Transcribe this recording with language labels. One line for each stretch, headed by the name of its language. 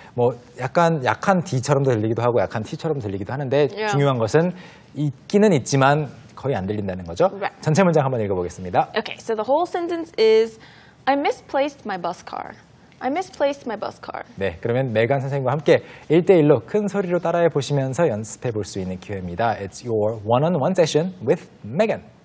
Korean: 뭐 약간 약한 D처럼도 들리기도 하고 약한 T처럼 들리기도 하는데
English: yeah.
Korean: 중요한 것은 있기는 있지만 거의 안 들린다는 거죠.
English: Right.
Korean: 전체 문장 한번 읽어 보겠습니다.
English: Okay. So the whole sentence is I misplaced my bus car. I misplaced my bus car.
Korean: 네, 그러면 메간 선생님과 함께 1대1로 큰 소리로 따라해 보시면서 연습해 볼 수 있는 기회입니다.
English: It's your one-on-one session with Megan.